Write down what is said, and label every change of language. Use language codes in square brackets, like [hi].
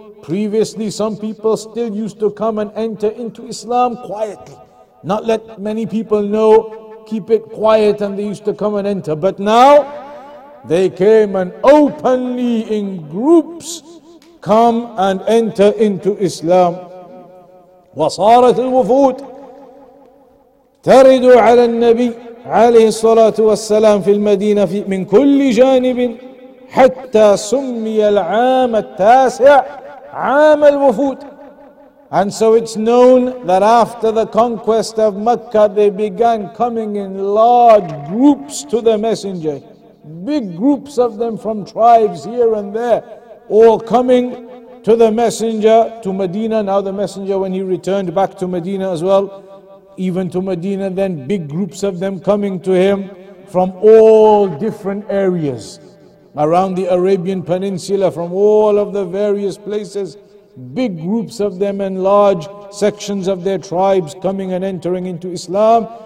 [en] Previously, some people still used to come and enter into Islam quietly, not let many people know, keep it quiet, and they used to come and enter. But now, they came and openly in groups come and enter into Islam. [ar] وصارت الوفود ترد على النبي عليه الصلاة والسلام في المدينة في من كل جانب حتى سمي العام التاسع عام الوفود. [en] And so it's known that after the conquest of Mecca, they began coming in large groups to the Messenger. Big groups of them from tribes here and there, all coming to the Messenger to Medina. Now the Messenger, when he returned back to Medina as well, even to Medina, then big groups of them coming to him from all different areas around the Arabian Peninsula, from all of the various places, big groups of them and large sections of their tribes coming and entering into Islam.